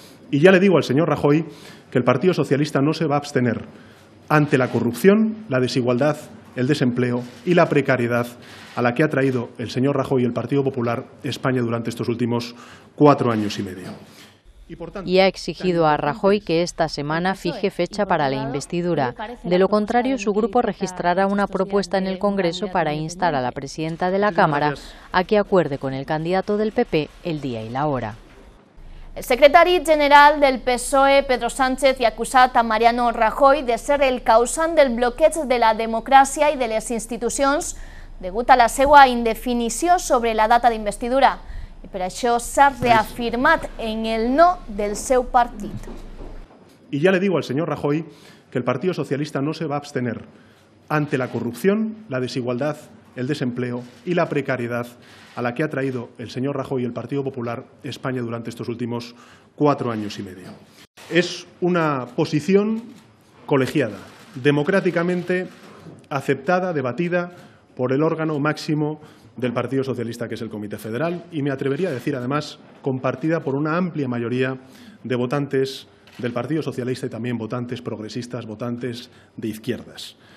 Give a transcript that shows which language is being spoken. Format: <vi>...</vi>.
<es>Y ya le digo al señor Rajoy que el Partido Socialista no se va a abstener ante la corrupción, la desigualdad, el desempleo y la precariedad a la que ha traído el señor Rajoy y el Partido Popular España durante estos últimos 4 años y medio. Y ha exigido a Rajoy que esta semana fije fecha para la investidura. De lo contrario, su grupo registrará una propuesta en el Congreso para instar a la presidenta de la Cámara a que acuerde con el candidato del PP el día y la hora.</es> <ca>El secretari general del PSOE, Pedro Sánchez, ha acusat a Mariano Rajoy de ser el causant del bloqueig de la democràcia i de les institucions degut a la seva indefinició sobre la data d'investidura. I per això s'ha reafirmat en el no del seu partit.</ca> <es>Y ya le digo al señor Rajoy que el Partido Socialista no se va a abstener ante la corrupción, la desigualdad, el desempleo y la precariedad a la que ha traído el señor Rajoy y el Partido Popular España durante estos últimos 4 años y medio. Es una posición colegiada, democráticamente aceptada, debatida por el órgano máximo del Partido Socialista, que es el Comité Federal, y me atrevería a decir, además, compartida por una amplia mayoría de votantes del Partido Socialista y también votantes progresistas, votantes de izquierdas.</es>